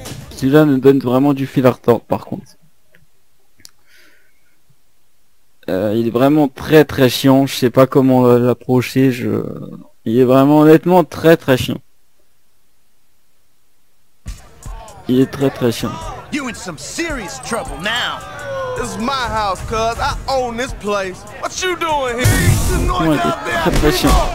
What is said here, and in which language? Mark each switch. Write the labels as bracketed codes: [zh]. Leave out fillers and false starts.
[fr] Celui-là me donne vraiment du fil à retordre, par contre. Il est vraiment très très chiant. Je sais pas comment l'approcher. Il est vraiment honnêtement très très chiant. Il est très très chiant. [en] You in some serious trouble now. This is my house, cuz I own this place. What you doing here? [fr] Oh, il est très très chiant.